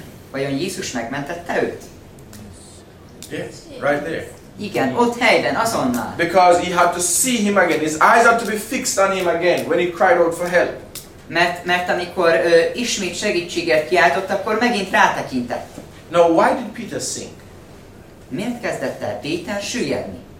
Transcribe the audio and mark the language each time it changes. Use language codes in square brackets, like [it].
[hu] Vajon Jézus megmentette őt? [en] Yes, right there. [hu] Igen, ott helyben, azonnal. [en] Because he had to see him again. His eyes had to be fixed on him again when he cried out for help. [hu] Mert amikor ismét segítséget kiáltott, akkor megint rátekintett. [en] Now, why did Peter sink? [hu] Miért kezdett el Péter süllyedni?